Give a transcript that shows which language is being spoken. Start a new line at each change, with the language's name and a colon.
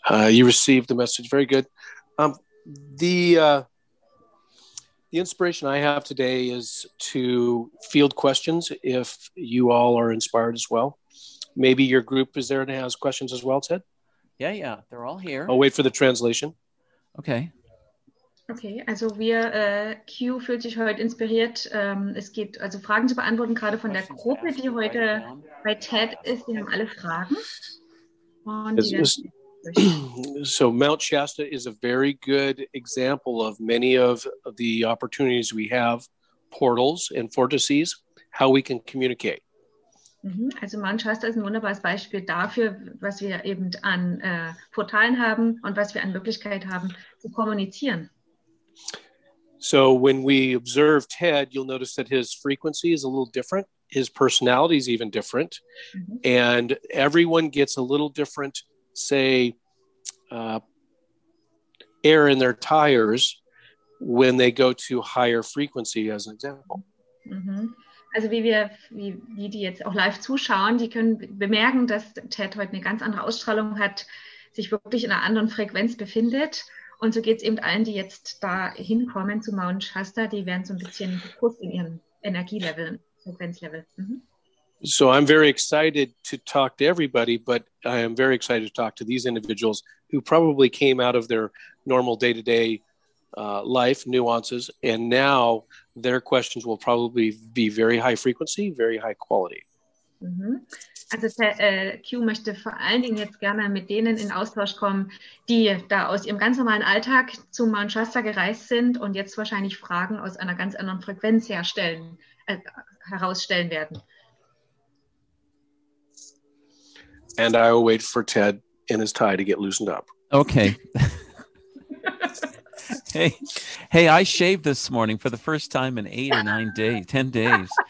English: you received the message. Very good. The inspiration I have today is to field questions if you all are inspired as well. Maybe your group is there and has questions as well, Ted? Yeah, they're all here. I'll wait for the translation. Okay.
German: Okay, also wir, Q fühlt sich heute inspiriert. Es geht also Fragen zu beantworten, gerade von der Gruppe, die heute bei TED ist. Die haben alle Fragen. Und die
English: So Mount Shasta is a very good example of many of the opportunities we have, portals and vortices, how we can communicate.
German: Also Mount Shasta ist ein wunderbares Beispiel dafür, was wir eben an Portalen haben und was wir an Möglichkeit haben zu kommunizieren.
English: So when we observe Ted, you'll notice that his frequency is a little different. His personality is even different. And everyone gets a little different, say, air in their tires when they go to higher frequency, as an example.
German: Also wie die jetzt auch live zuschauen, die können bemerken, dass Ted heute eine ganz andere Ausstrahlung hat, sich wirklich in einer anderen Frequenz befindet. Und so geht es eben allen, die jetzt da hinkommen zu Mount Shasta, die werden so ein bisschen gekurst in ihren Energielevel, Frequenzlevel.
English: So I'm very excited to talk to everybody, but I am very excited to talk to these individuals who probably came out of their normal day-to-day life nuances, and now their questions will probably be very high frequency, very high quality.
German: Also Q möchte vor allen Dingen jetzt gerne mit denen in Austausch kommen, die da aus ihrem ganz normalen Alltag zu Mount Shasta gereist sind und jetzt wahrscheinlich Fragen aus einer ganz anderen Frequenz herausstellen werden.
English: And I will wait for Ted and his tie to get loosened up. Okay. Hey, I shaved this morning for the first time in 10 days.